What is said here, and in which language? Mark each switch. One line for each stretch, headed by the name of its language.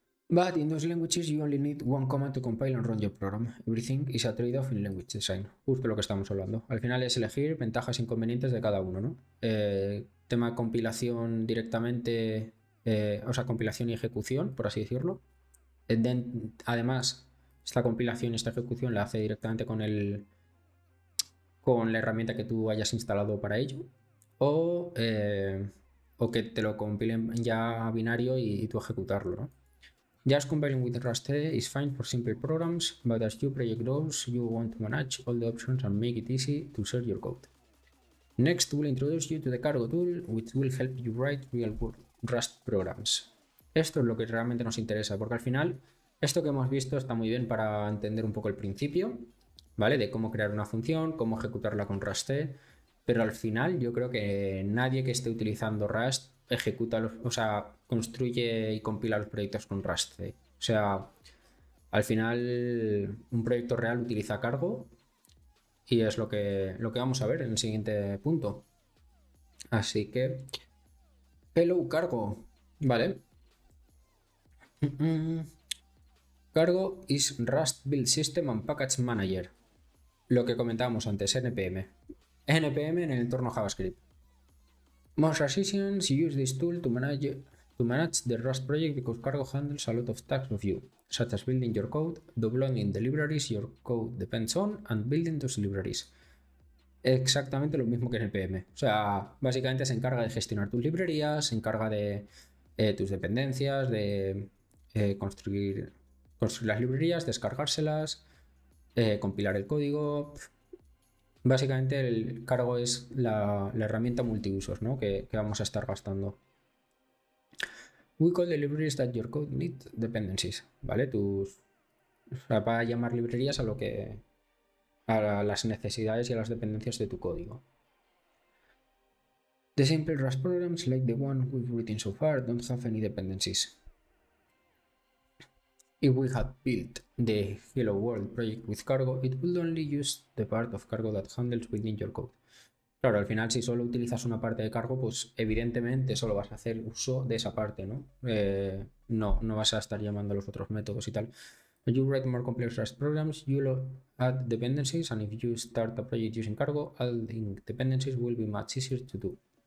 English: But in those languages you only need one command to compile and run your program. Everything is a trade-off in language design.
Spanish: Justo lo que estamos hablando. Al final es elegir ventajas e inconvenientes de cada uno, ¿no? Tema compilación directamente, o sea, compilación y ejecución, por así decirlo. Además, esta compilación y esta ejecución la hace directamente con la herramienta que tú hayas instalado para ello. O que te lo compilen ya binario y tú ejecutarlo, ¿no?
English: Just compiling with Rust is fine for simple programs, but as your project grows, you want to manage all the options and make it easy to share your code. Next, we'll introduce you to the Cargo tool, which will help you write real-world Rust programs.
Spanish: Esto es lo que realmente nos interesa, porque al final, esto que hemos visto está muy bien para entender un poco el principio, ¿vale? De cómo crear una función, cómo ejecutarla con Rust, pero al final yo creo que nadie que esté utilizando Rust ejecuta o sea, construye y compila los proyectos con Rust. O sea, al final un proyecto real utiliza Cargo y es lo que vamos a ver en el siguiente punto. Así que, hello Cargo, ¿vale?
English: Cargo is Rust Build System and Package Manager.
Spanish: Lo que comentábamos antes, NPM. NPM en el entorno JavaScript.
English: Most Rustians use this tool to manage the Rust project because Cargo handles a lot of tasks for you, such as building your code, deploying the libraries your code depends on, and building those libraries.
Spanish: Exactamente lo mismo que en NPM. O sea, básicamente se encarga de gestionar tus librerías, se encarga de tus dependencias, de construir las librerías, descargárselas, compilar el código. Básicamente el Cargo es la herramienta multiusos, ¿no? Que vamos a estar gastando.
English: We call the libraries that your code need dependencies, ¿vale?
Spanish: O sea, para llamar librerías a las necesidades y a las dependencias de tu código.
English: The simple Rust programs like the one we've written so far don't have any dependencies. If we had built the Hello World project with Cargo, it would only use the part of Cargo that handles building your code.
Spanish: Claro, al final, si solo utilizas una parte de Cargo, pues evidentemente solo vas a hacer uso de esa parte, ¿no? No vas a estar llamando a los otros métodos y tal.
English: When you write more complex Rust programs, you'll add dependencies, and if you start a project using Cargo, adding dependencies will be much easier to do.